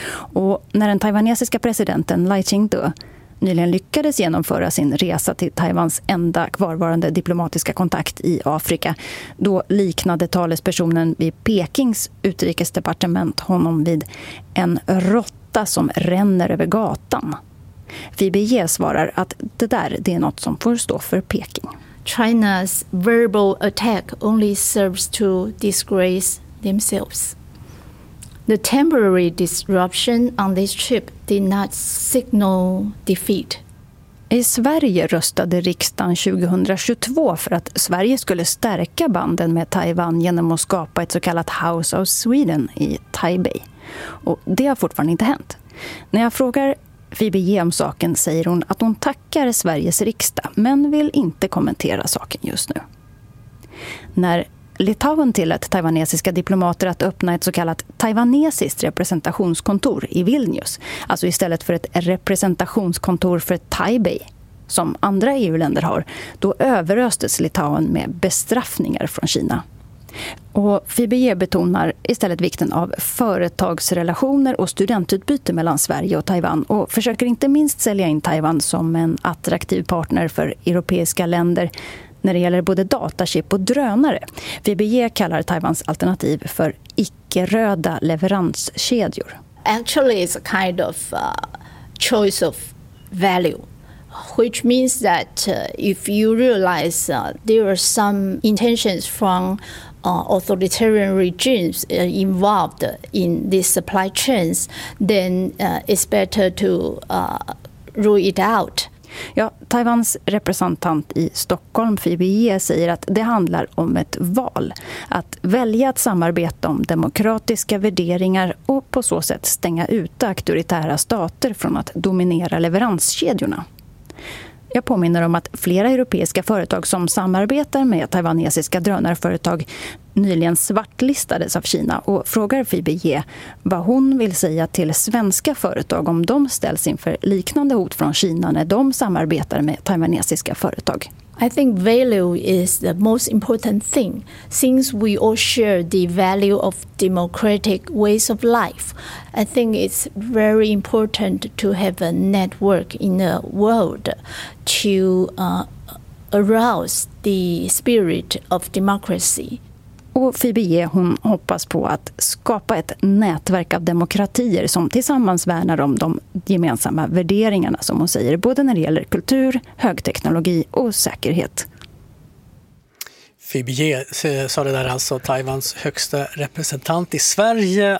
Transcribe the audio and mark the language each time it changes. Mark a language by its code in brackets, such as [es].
[sv] Och när den taiwanesiska presidenten Lai Ching-te nyligen lyckades genomföra sin resa till Taiwans enda kvarvarande diplomatiska kontakt i Afrika, då liknade talespersonen vid Pekings utrikesdepartement honom vid en råtta som ränner över gatan. Fibie svarar att det där, det är något som får stå för Peking. [en] China's verbal attack only serves to disgrace themselves. The temporary disruption on this trip did not signal defeat. [sv] I Sverige röstade riksdagen 2022 för att Sverige skulle stärka banden med Taiwan genom att skapa ett så kallat House of Sweden i Taipei. Och det har fortfarande inte hänt. När jag frågar Fibie om saken säger hon att hon tackar Sveriges riksdag, men vill inte kommentera saken just nu. När Litauen tillät taiwanesiska diplomater att öppna ett så kallat taiwanesiskt representationskontor i Vilnius, alltså istället för ett representationskontor för Taipei, som andra EU-länder har, då överröstes Litauen med bestraffningar från Kina. Och Fibie betonar istället vikten av företagsrelationer och studentutbyte mellan Sverige och Taiwan och försöker inte minst sälja in Taiwan som en attraktiv partner för europeiska länder när det gäller både datachip och drönare. Fibie kallar Taiwans alternativ för icke-röda leveranskedjor. [en] Actually it's a kind of choice of value. Which means that if you realize there are some intentions from authoritarian regimes involved in these supply chains, then it's better to rule it out. [sv] Ja, Taiwans representant i Stockholm, Fibie, säger att det handlar om ett val. Att välja att samarbeta om demokratiska värderingar och på så sätt stänga ut auktoritära stater från att dominera leveranskedjorna. Jag påminner om att flera europeiska företag som samarbetar med taiwanesiska drönarföretag nyligen svartlistades av Kina och frågar Fibie vad hon vill säga till svenska företag om de ställs inför liknande hot från Kina när de samarbetar med taiwanesiska företag. [en] I think value is the most important thing. Since we all share the value of democratic ways of life, I think it's very important to have a network in the world to arouse the spirit of democracy. [sv] Och Phoebe Ye, hon hoppas på att skapa ett nätverk av demokratier som tillsammans värnar om de gemensamma värderingarna, som hon säger, både när det gäller kultur, högteknologi och säkerhet. Phoebe Ye sa det där, alltså Taiwans högsta representant i Sverige.